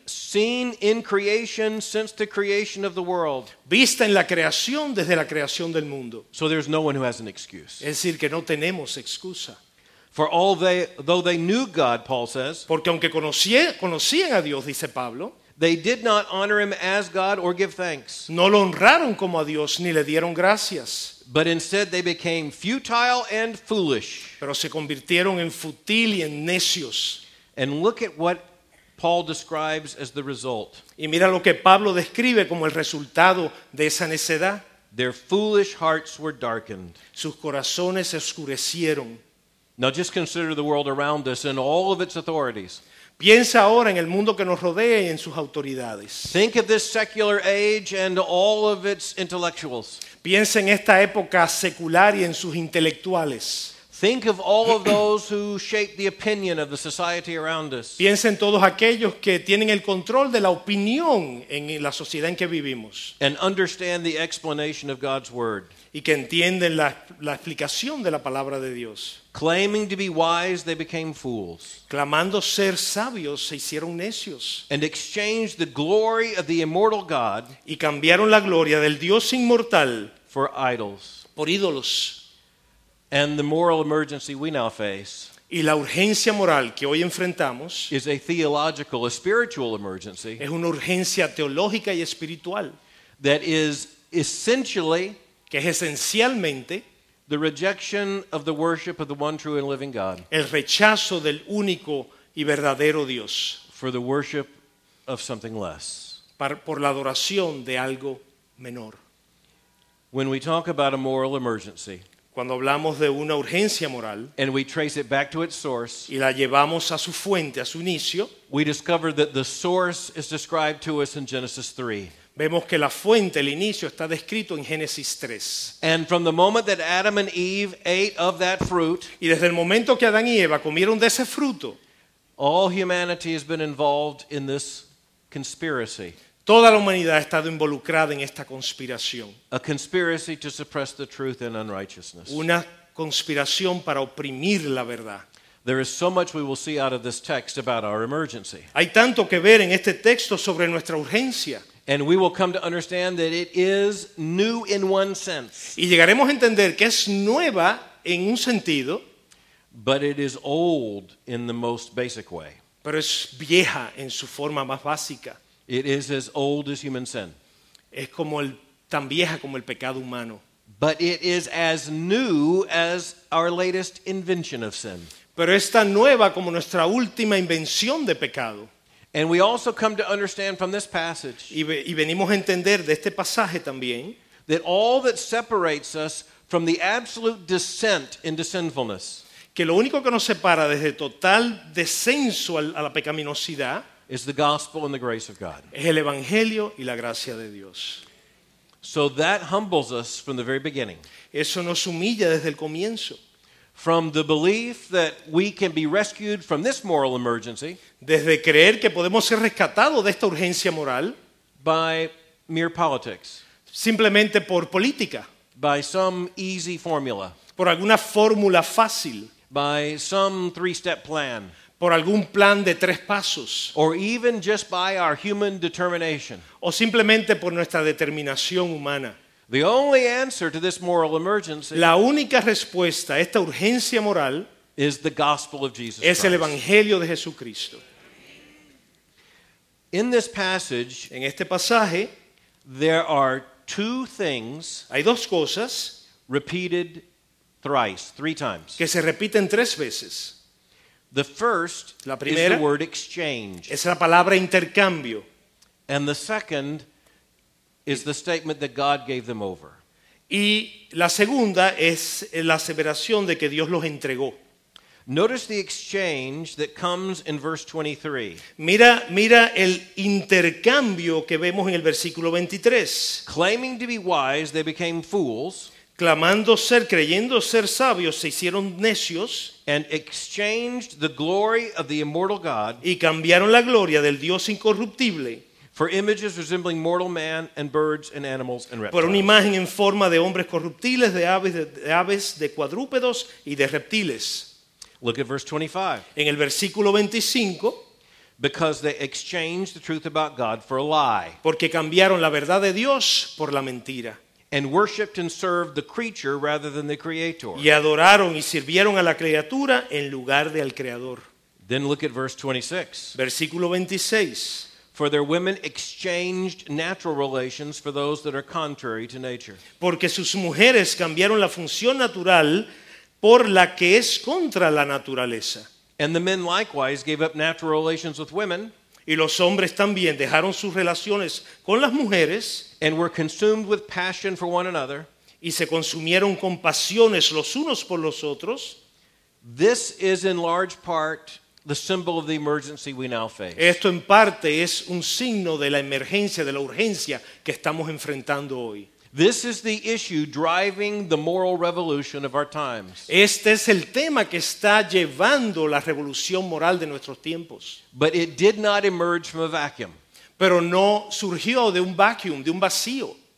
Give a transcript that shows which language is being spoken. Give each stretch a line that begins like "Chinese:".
English: Seen in creation since the creation of the world.
Spanish: Vista en la creación desde la creación del mundo.
English: So there's no one who has an excuse.
Spanish: Es decir, que no tenemos excusa.
English: For though they knew God, Paul says,
Spanish: porque aunque conocían a Dios, dice Pablo,
English: They did not honor him as God or give thanks.
Spanish: No lo honraron como a Dios ni le dieron gracias.
English: But instead they became futile and foolish.
Spanish: Pero se convirtieron en futil y en necios.
English: And look at what Paul describes as the result.
Spanish: Y mira lo que Pablo describe como el resultado de esa necedad.
English: Their foolish hearts were darkened.
Spanish: Sus corazones se oscurecieron.
English: Now just consider the world around us and all of its authorities.
Spanish: Piensa ahora en el mundo que nos rodea y en sus autoridades.
English: Think of this secular age and all of its intellectuals.
Spanish: Piensa en esta época secular y en sus intelectuales.
English: Think of all of those who shape the opinion of the society around us.
Spanish: Piensa en todos aquellos que tienen el control de la opinión en la sociedad en que vivimos.
English: And understand the explanation of God's word.
Spanish: Y que entienden la explicación de la palabra de Dios.
English: Claiming to be wise, they became fools.
Spanish: Clamando ser sabios, se hicieron necios.
English: And exchanged the glory of the immortal God.
Spanish: Y cambiaron la gloria del Dios inmortal.
English: For idols.
Spanish: Por ídolos.
English: And the moral emergency we now face.
Spanish: Y la urgencia moral que hoy enfrentamos.
English: Is a theological, a spiritual emergency.
Spanish: Es una urgencia teológica y espiritual.
English: That is essentially.
Spanish: Que es esencialmente
English: the rejection of the worship of the one true and living God.
Spanish: El rechazo del único y verdadero Dios.
English: For the worship of something less.
Spanish: Por la adoración de algo menor.
English: When we talk about a moral emergency,
Spanish: cuando hablamos de una urgencia moral,
English: and we trace it back to its source,
Spanish: y la llevamos a su fuente, a su inicio,
English: we discover that the source is described to us in Genesis 3.
Spanish: Vemos que la fuente, el inicio, está descrito en Génesis 3.
English: And from the moment that Adam and Eve ate of that fruit,
Spanish: y desde el momento que Adán y Eva comieron de ese fruto,
English: all humanity has been involved in this conspiracy.
Spanish: Toda la humanidad ha estado involucrada en esta conspiración.
English: A conspiracy to suppress the truth and unrighteousness.
Spanish: Una conspiración para oprimir la verdad.
English: There is so much we will see out of this text about our emergency.
Spanish: Hay tanto que ver en este texto sobre nuestra urgencia.
English: And we will come to understand that it is new in one sense.
Spanish: Y llegaremos a entender que es nueva en un sentido.
English: But it is old in the most basic way.
Spanish: Pero es vieja en su forma más básica.
English: It is as old as human sin.
Spanish: Es como tan vieja como el pecado humano.
English: But it is as new as our latest invention of sin.
Spanish: Pero es tan nueva como nuestra última invención de pecado.
English: And we also come to understand from this passage
Spanish: y venimos a entender de este pasaje también
English: that all that separates us from the absolute descent into sinfulness
Spanish: que lo único que nos separa desde total descenso a la pecaminosidad
English: is the gospel and the grace of God.
Spanish: Es el evangelio y la gracia de Dios.
English: So that humbles us from the very beginning.
Spanish: Eso nos humilla desde el comienzo.
English: From the belief that we can be rescued from this moral emergency,
Spanish: desde creer que podemos ser rescatados de esta urgencia moral,
English: by mere politics,
Spanish: simplemente por política,
English: by some easy formula,
Spanish: por alguna fórmula fácil,
English: by some three-step plan,
Spanish: por algún plan de tres pasos,
English: or even just by our human determination,
Spanish: o simplemente por nuestra determinación humana.
English: The only answer to this moral emergency,
Spanish: la única respuesta a esta urgencia moral,
English: is the gospel of Jesus
Spanish: Christ. Es el evangelio de Jesucristo.
English: In this passage,
Spanish: en este pasaje,
English: there are two things,
Spanish: hay dos cosas,
English: repeated thrice, three times,
Spanish: que se repiten tres veces.
English: The first,
Spanish: la primera,
English: is the word exchange,
Spanish: es la palabra intercambio,
English: and the second is the statement that God gave them over.
Spanish: Y la segunda es la aseveración de que Dios los entregó.
English: Notice the exchange that comes in verse 23.
Spanish: Mira el intercambio que vemos en el versículo 23.
English: Claiming to be wise, they became fools.
Spanish: Clamando ser, creyendo ser sabios, se hicieron necios.
English: And exchanged the glory of the immortal God.
Spanish: Y cambiaron la gloria del Dios incorruptible.
English: For images resembling mortal man and birds and animals and reptiles.
Spanish: Por una imagen en forma de hombres corruptibles, de aves, de cuadrúpedos y de reptiles.
English: Look at verse 25.
Spanish: En el versículo 25.
English: Because they exchanged the truth about God for a lie.
Spanish: Porque cambiaron la verdad de Dios por la mentira.
English: And worshipped and served the creature rather than the creator.
Spanish: Y adoraron y sirvieron a la criatura en lugar del creador.
English: Then look at verse 26.
Spanish: Versículo 26.
English: For their women exchanged natural relations for those that are contrary to nature.
Spanish: Porque sus mujeres cambiaron la función natural por la que es contra la naturaleza.
English: And the men likewise gave up natural relations with women.
Spanish: Y los hombres también dejaron sus relaciones con las mujeres.
English: And were consumed with passion for one another.
Spanish: Y se consumieron con pasiones los unos por los otros.
English: This is in large part the symbol of the emergency we now face.
Spanish: Esto en parte es un signo de la emergencia, de la urgencia que estamos enfrentando hoy.
English: This is the issue driving the moral revolution of our times.
Spanish: Este es el tema que está llevando la revolución moral de nuestros tiempos.
English: But it did not emerge from a vacuum.
Spanish: Pero no surgió de un vacuum, de un vacío.